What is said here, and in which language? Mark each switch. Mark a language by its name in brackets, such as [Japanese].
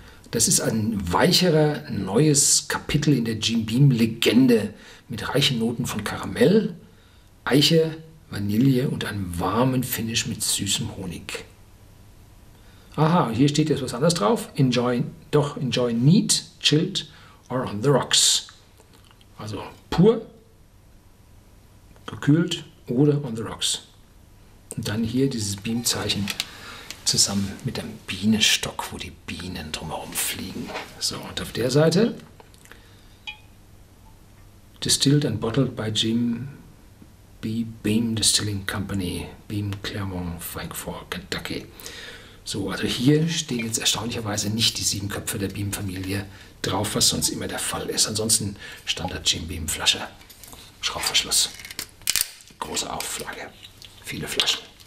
[German] Das ist ein weicherer, neues Kapitel in der Jim Beam-Legende mit reichen Noten von Karamell, Eiche, Vanille und einem warmen Finish mit süßem Honig. Aha, hier steht jetzt was anderes drauf. [English] Enjoy neat, chilled or on the rocks. [German] Also pur, gekühlt oder on the rocks. Und dann hier dieses Beam-Zeichen zusammen mit einem Bienenstock, wo die Bienen drumherum fliegen. So, und auf der Seite. [English] Distilled and bottled by Jim Beam Distilling Company, Beam Clermont, Frankfort, Kentucky. [German] So, also hier stehen jetzt erstaunlicherweise nicht die sieben Köpfe der Beam-Familie drauf, was sonst immer der Fall ist. Ansonsten Standard Jim Beam Flasche, Schraubverschluss, große Auflage, viele Flaschen.